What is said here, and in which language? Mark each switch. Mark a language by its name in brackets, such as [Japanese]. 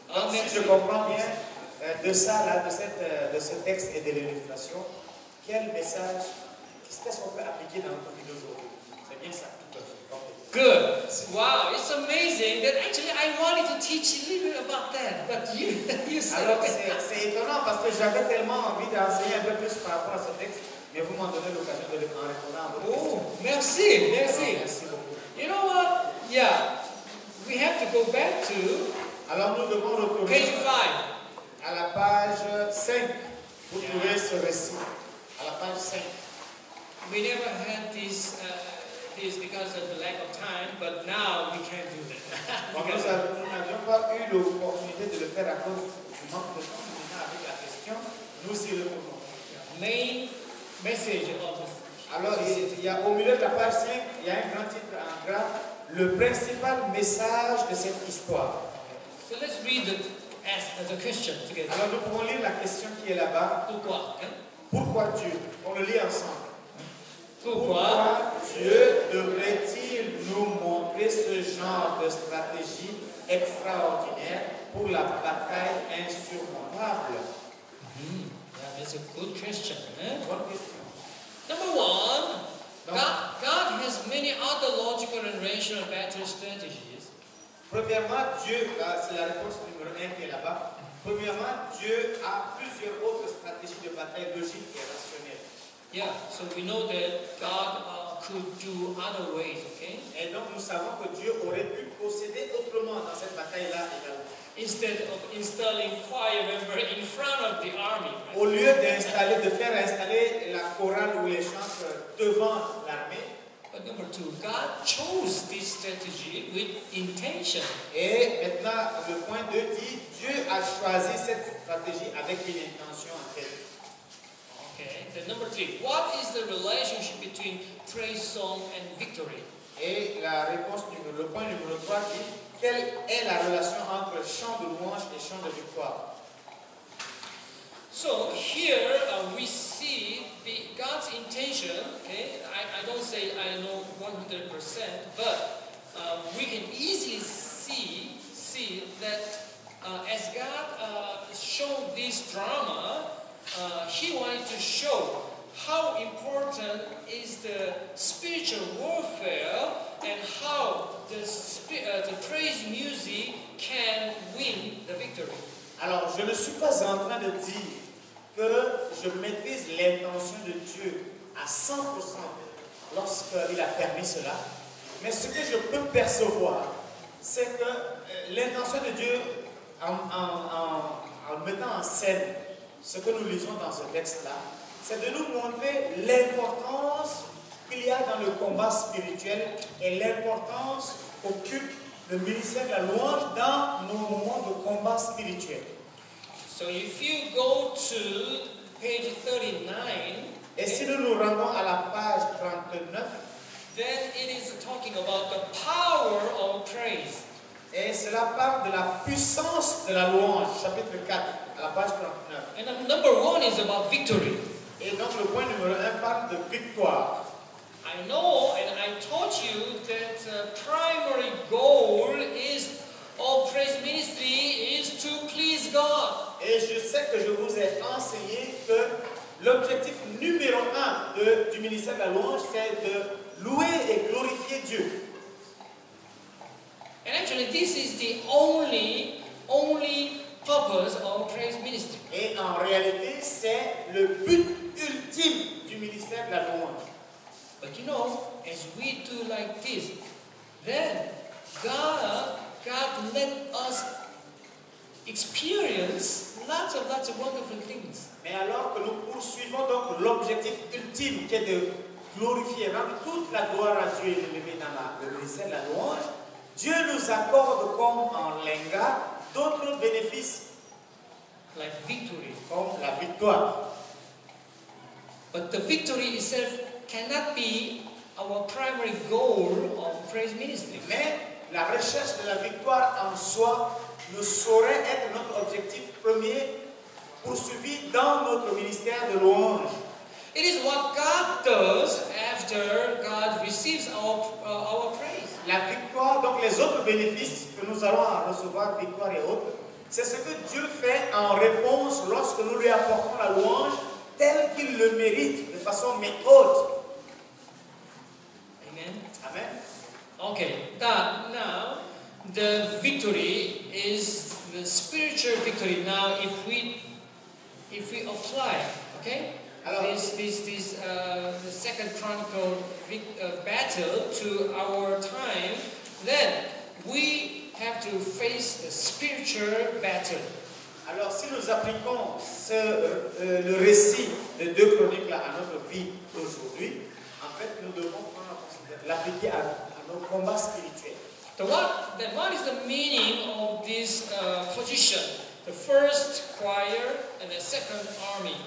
[French] Si je comprends bien de ça là, de ce texte et de l'illustration, quel message, qu'est-ce qu'on peut appliquer dans notre vie d'aujourd'hui? C'est bien ça. [English] Good. Wow, it's amazing that actually I wanted to teach a little bit about that, but you said. [French] Alors c'est étonnant parce que j'avais tellement envie d'enseigner un peu plus par rapport à ce texte, mais vous m'en donnez l'occasion de le répondre à vos questions. Oh, merci. Oh, merci beaucoup. [English] You know what? Yeah, we have to go back to. [French] Alors nous devons retourner. [English] Page 5. [French] À la page 5. Vous trouvez ce récit. À la page 5. [English] We never had this. Is because of the lack of time, but now we can do that. [French] Nous n'avions pas eu l'opportunité de le faire à cause du manque de temps. Maintenant, avec la question, nous y revenons. [English] Main message of the. [French] Alors, il y a au milieu de la page 5, il y a un grand titre en gras, le principal message de cette histoire. [English] So let's read it as a question together. [French] Alors, nous pouvons lire la question qui est là-bas. Pourquoi? Pourquoi Dieu? On le lit ensemble. Pourquoi Dieu devrait-il nous montrer ce genre de stratégie extraordinaire pour la bataille insurmontable? [English] Yeah, that's a good question. [French] Bonne question. [English] Number one, God has many other logical and rational battle strategies. [French] Premièrement, Dieu, c'est la réponse numéro un qui est là-bas. Premièrement, Dieu a plusieurs autres stratégies de bataille logiques et rationnelles. [English] Yeah, so we know that God could do other ways, okay? [French] Et donc nous savons que Dieu aurait pu procéder autrement dans cette bataille-là également. [English] Instead of installing choir members in front of the army. [French] Au lieu d'installer, de faire installer la chorale ou les chanteurs devant l'armée. [English] But number two, God chose this strategy with intention. [French] Et maintenant, le point 2 dit, Dieu a choisi cette stratégie avec une intention en tête. [English] Okay. Then number three, what is the relationship between praise song and victory? [French] Et la réponse numéro, le point numéro 3 dit, quelle est la relation entre chant de louange et chant de victoire? [English] So here we see the God's intention, okay? I don't say I know 100%, but we can easily see that as God showed this drama, he wanted to show how important is the spiritual warfare and how the praise music can win the victory. [French] Alors, je ne suis pas en train de dire que je maîtrise l'intention de Dieu à 100% lorsqu'il a permis cela, mais ce que je peux percevoir, c'est que l'intention de Dieu en mettant en scène ce que nous lisons dans ce texte-là, c'est de nous montrer l'importance qu'il y a dans le combat spirituel et l'importance qu'occupe le ministère de la louange dans nos moments de combat spirituel. [English] So if you go to page 39, [French] et si nous nous rendons à la page 39, [English] then it is talking about the power of praise. [French] Et cela parle de la puissance de la louange, chapitre 4. À la page 39. [English] And number one is about victory. [French] Et donc le point numéro un parle de victoire. [English] I know and I taught you that the primary goal is of praise ministry is to please God. [French] Et je sais que je vous ai enseigné que l'objectif numéro un du ministère de la louange c'est de louer et glorifier Dieu. [English] And actually, this is the only purpose of praise ministry. [French] Et en réalité, c'est le but ultime du ministère de la louange. [English] But you know, as we do like this, then God let us experience lots of wonderful things. [French] Mais alors que nous poursuivons donc l'objectif ultime qui est de glorifier, rendre toute la gloire à Dieu et de lever dans le ministère de la louange, Dieu nous accorde comme en linga d'autres bénéfices. [English] Like victory. [French] Comme la victoire. [English] But the victory itself cannot be our primary goal of praise ministry. [French] Mais la recherche de la victoire en soi ne saurait être notre objectif premier poursuivi dans notre ministère de louange. [English] It is what God does after God receives our praise. [French] La victoire, donc les autres bénéfices que nous allons recevoir, victoire et autres, c'est ce que Dieu fait en réponse lorsque nous lui apportons la louange telle qu'il le mérite, de façon méthode. Amen. Amen. [English] Okay, God, now, the victory is the spiritual victory. Now, if we apply, okay? [French] Alors, [English] this the second chronicle battle to our time, then we have to face the spiritual battle. [French] Alors si nous appliquons le récit de deux chroniques là, à notre vie aujourd'hui, en fait nous devons l'appliquer à nos combats spirituels. [English] What is the meaning of this position? The first choir and the second army.